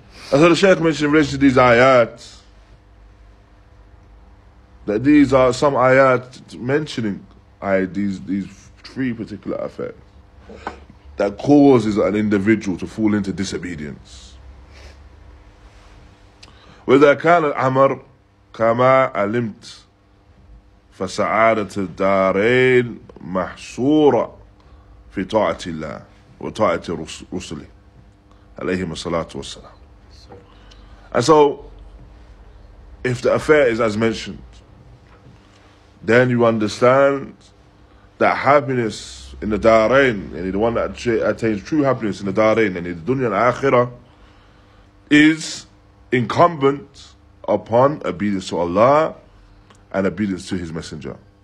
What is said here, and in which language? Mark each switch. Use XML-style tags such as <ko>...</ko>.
<en>And so the Shaykh mentioned in relation to these ayat, that these are some ayat mentioning these three particular affairs that causes an individual to fall into disobedience. Whether</en> <ar>كان الأمر كما علمت فسعادة الدارين محصورة في طاعة الله وطاعة رسله عليهم الصلاة والسلام.</ar> <en>And so, if the affair is as mentioned, then you understand that happiness in the Dharain, and the one that attains true happiness in the Dharain, and in the dunya and akhirah, is incumbent upon obedience to Allah and obedience to His Messenger.</en>